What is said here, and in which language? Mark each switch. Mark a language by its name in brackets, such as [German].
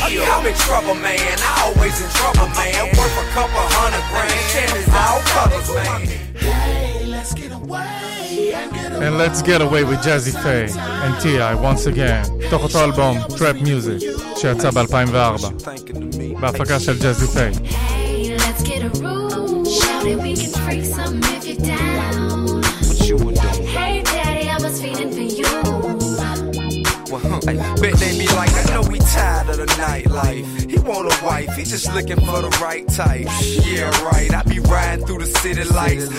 [English] I'm in trouble, man, I always in trouble, man. I'm worth a couple hundred grand. Chances all colors, man. And let's get away with Jazzy Faye and T.I. once again. [Hebrew] תוך אותו אלבום, Trap Music, שיצא ב-2004. בהפקה של Jazzy Faye. [English] Hey, let's get a room. Shout it, we can freak some if you're down. What you would do? Hey, daddy, I was feeling for you. Well, I bet they be like, I know we tired of the nightlife. He want a wife, he just looking for the right type. Yeah, right, I be riding through the city lights.